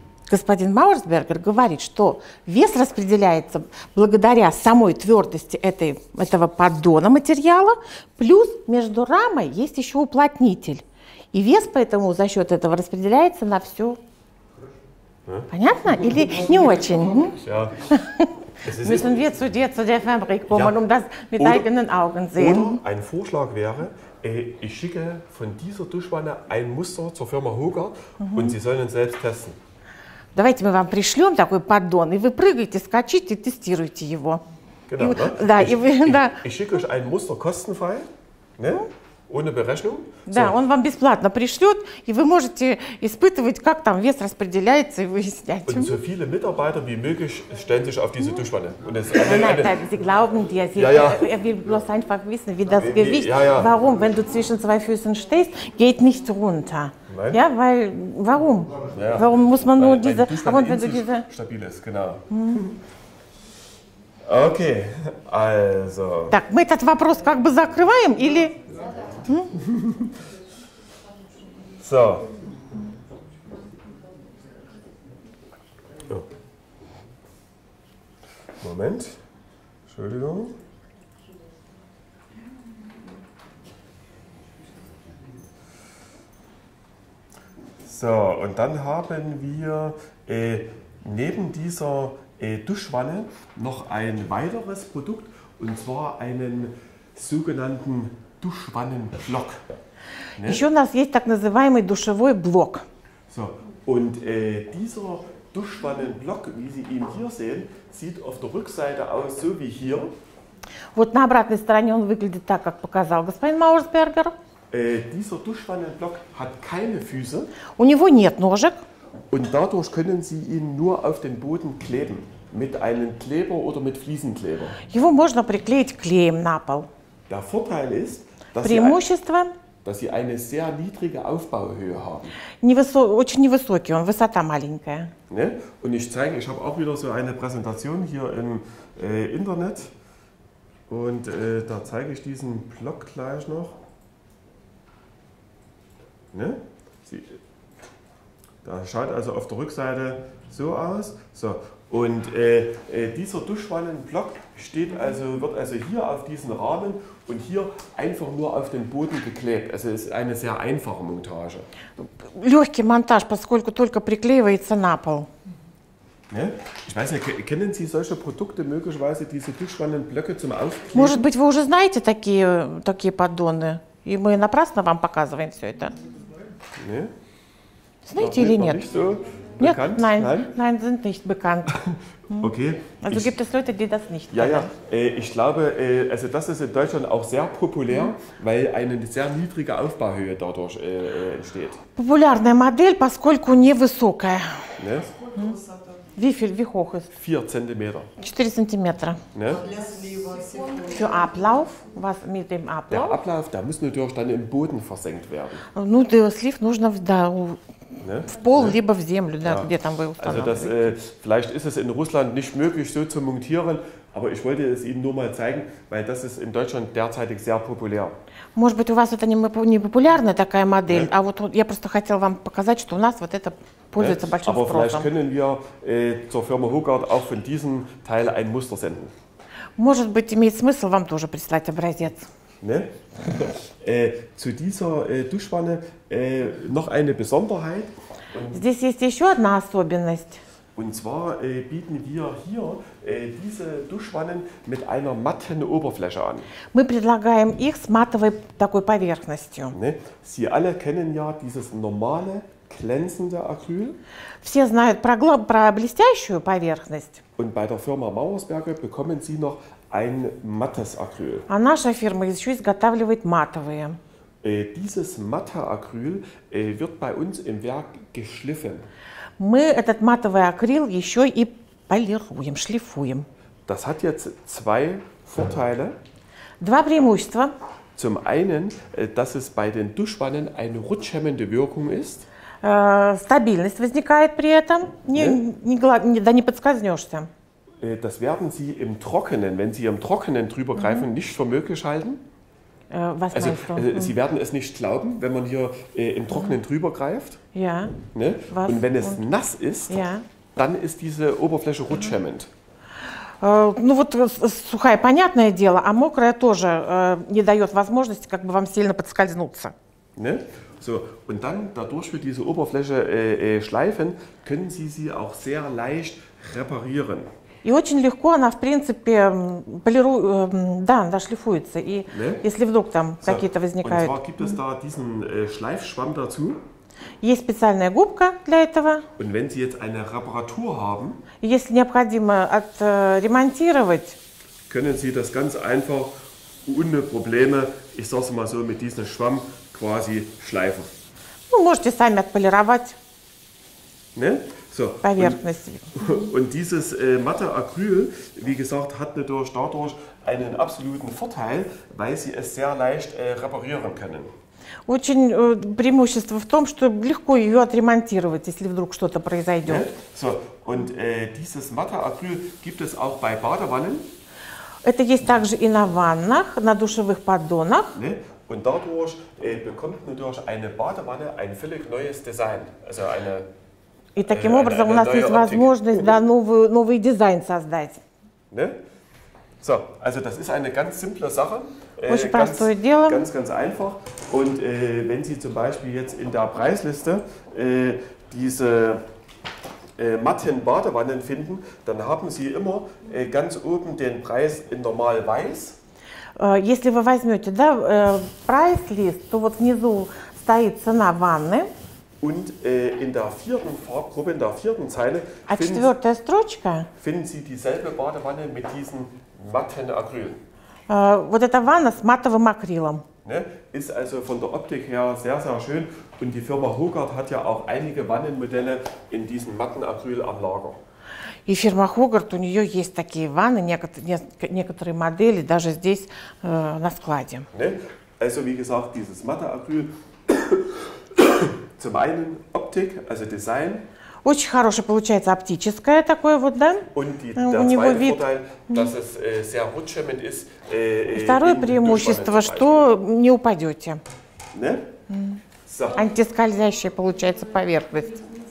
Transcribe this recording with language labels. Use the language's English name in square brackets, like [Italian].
[Russian] Господин Мауэрсбергер говорит, что вес распределяется благодаря самой твердости этого поддона материала, плюс между рамой есть еще уплотнитель. И вес поэтому за счет этого распределяется на всю. А? Понятно? Или не очень? [German] Müssen wir zu dir zu der Fabrik kommen, um das mit eigenen Augen sehen. Ein Vorschlag wäre, ich schicke von dieser Duschwanne ein Muster zur Firma Hoger und Sie sollen selbst testen. [Russian] Давайте мы вам пришлем такой поддон, и вы прыгаете, скачите, тестируете его. [German] Genau, [Russian] и, да, [German] ich, [Russian] и вы, [German] ich, [Russian] да. [German] Ich schicke euch ein Muster kostenfrei, ne? Ohne Berechnung. [Russian] Да, so. Он вам бесплатно пришлет, и вы можете испытывать, как там вес распределяется и выяснять. [German] Und so viele Mitarbeiter wie möglich stellen sich auf diese Duschwanne. Und es Sie glauben dir, er will bloß einfach wissen, wie das Gewicht, warum, wenn du zwischen zwei Füßen stehst, geht nicht runter. Nein. Ja, weil, warum? Ja. Warum muss man nur diese... Wenn du diese stabil ist, genau. Okay, also... [Russian] Так, мы этот вопрос как бы закрываем или... [German] So. Moment, Entschuldigung. So, und dann haben wir neben dieser Duschwanne noch ein weiteres Produkt, und zwar einen sogenannten Duschwannenblock. Ne? [Russian] Еще у нас есть так называемый душевой блок. [German] So. Und dieser Duschwannenblock, wie Sie ihn hier sehen, sieht auf der Rückseite aus so wie hier. [Russian] Вот на обратной стороне он выглядит так, как показал господин Маурсбергер. [German] Dieser Duschwannenblock hat keine Füße. [Russian] У него нет ножек. [German] Und dadurch können Sie ihn nur auf den Boden kleben, mit einem Kleber oder mit Fliesenkleber. [Russian] Его можно приклеить клеем на пол. [German] Der Vorteil ist, [Russian] преимущество, [German] dass Sie eine sehr niedrige Aufbauhöhe haben. [Russian] Очень невысокий, он высота маленькая. [German] Ne? Und ich zeige, ich habe auch wieder so eine Präsentation hier im Internet. Und da zeige ich diesen Block gleich noch. Ne? Sie, da schaut also auf der Rückseite so aus. So. Und dieser Duschwannenblock steht also, wird also hier auf diesen Rahmen und hier einfach nur auf den Boden geklebt. Also es ist eine sehr einfache Montage. [Russian] Легкий монтаж, поскольку только приклеивается на пол. [German] Ne? Ich weiß nicht, kennen Sie solche Produkte möglicherweise, diese Duschwannenblöcke zum Aufkleben? [Russian] Может быть, вы уже знаете такие, такие поддоны? И мы напрасно вам показываем все это. [German] Ne? [Russian] Знаете или нет? [German] Nicht so. Bekannt? Nein, nein, sind nicht bekannt. Hm. Okay. Also gibt es Leute, die das nicht kennen. Ja, ja. Ich glaube, also das ist in Deutschland auch sehr populär, hm, weil eine sehr niedrige Aufbauhöhe dadurch entsteht. [Russian] Популярная модель, поскольку невысокая. [German] Ne? Hm. Wie viel, wie hoch ist? 4 cm. 4 cm. Ne? Für Ablauf, was mit dem Ablauf? Der Ablauf, der muss natürlich dann im Boden versenkt werden. [Russian] Ну, для слив нужно да, ne? В пол, ne? Либо в землю, да, где там вы установите. [German] Also das, vielleicht ist es in Russland nicht möglich, so zu montieren, aber ich wollte es Ihnen nur mal zeigen, weil das ist in Deutschland derzeitig sehr populär. [Russian] Может быть, у вас это не популярная такая модель, ne? А вот я просто хотел вам показать, что у нас вот это... [German] Aber vielleicht können wir zur Firma Hogarth auch von diesem Teil ein Muster senden. [Russian] Может быть, имеет смысл вам тоже прислать образец. [German] Ne? Zu dieser Duschwanne noch eine Besonderheit. [Russian] Здесь есть еще одна особенность. [German] Und zwar bieten wir hier diese Duschwannen mit einer matten Oberfläche an. [Russian] Мы предлагаем их с матовой такой поверхностью. [German] Ne? Sie alle kennen ja dieses normale glänzender Acryl. [Russian] Все знают про, про блестящую поверхность. [German] Und bei der Firma Mauersberger bekommen Sie noch ein mattes Acryl. [Russian] А наша фирма еще изготавливает матовые. [German] Dieses matte Acryl wird bei uns im Werk geschliffen. [Russian] Мы этот матовый акрил еще и полируем, шлифуем. [German] Das hat jetzt zwei Vorteile. [Russian] Два преимущества. [German] Zum einen, dass es bei den Duschwannen eine rutschhemmende Wirkung ist. [Russian] Стабильность возникает при этом, не, ne? Не, да не подскользнешься. [German] Das werden Sie im Trockenen, wenn Sie im Trockenen drüber greifen, mm-hmm, nicht für möglich halten. Was also, Sie werden es nicht glauben, wenn man hier im Trockenen drüber greift. Ja. Ne? Und wenn es und nass ist, ja, dann ist diese Oberfläche rutschhemmend. [Russian] Ну вот сухая, понятное дело, а мокрая тоже не дает возможности как бы вам сильно подскользнуться. [German] Ne? So, und dann, dadurch wir diese Oberfläche schleifen, können Sie sie auch sehr leicht reparieren. [Russian] И очень легко она, в принципе, полиру... да, она шлифуется. И ne? Если вдруг там so, какие-то возникают... [German] Und zwar gibt es da diesen Schleifschwamm dazu. [Russian] Есть специальная губка для этого. [German] Und wenn Sie jetzt eine Reparatur haben, [Russian] если необходимо отремонтировать, [German] können Sie das ganz einfach ohne Probleme, ich sag's mal so, mit diesem Schwamm quasi schleifen. [Russian] Ну, можете сами отполировать. [German] Ne? So. [Russian] Поверхность. [German] Und dieses matte Acryl, wie gesagt, hat natürlich dadurch einen absoluten Vorteil, weil Sie es sehr leicht reparieren können. [Russian] Очень преимущество в том, что легко ее отремонтировать, если вдруг что-то произойдет. [German] Ne? So. Und dieses matte Acryl gibt es auch bei Badewannen. [Russian] Это есть также и на ваннах, на душевых поддонах. [German] Ne? Und dadurch bekommt natürlich eine Badewanne ein völlig neues Design, also eine [Russian] И таким образом [German] eine [Russian] у нас есть Optik. Возможность да, новый дизайн создать. [German] Ne? So, also das ist eine ganz simple Sache. [Russian] Очень простое дело. [German] Ganz, ganz einfach. Und wenn Sie zum Beispiel jetzt in der Preisliste diese matten Badewannen finden, dann haben Sie immer ganz oben den Preis in normal weiß. [Russian] если вы возьмете, да, прайс-лист, то вот внизу стоит цена ванны. [German] Und in der vierten Farbgruppe, in der vierten Zeile, finden Sie dieselbe Badewanne mit diesem matten Acryl. [Russian] Вот эта ванна с матовым акрилом. [German] Ne? Ist also von der Optik her sehr, sehr schön. Und die Firma Hogarth hat ja auch einige Wannenmodelle in diesem matten Acryl am Lager. [Russian] И фирма Hogarth, у нее есть такие ванны, некоторые модели, даже здесь на складе. [German] Ne? Also, wie gesagt, dieses matte Acryl... Zum einen Optik, also Design. [Russian] Очень хорошее получается оптическое такое вот, да? [German] Und die, der [Russian] у него вид. [German] Vorteil, dass es sehr rutschend ist. [Russian] Второе преимущество, что не упадете. [German] Ne? So. [Russian] Антискользящая получается поверхность.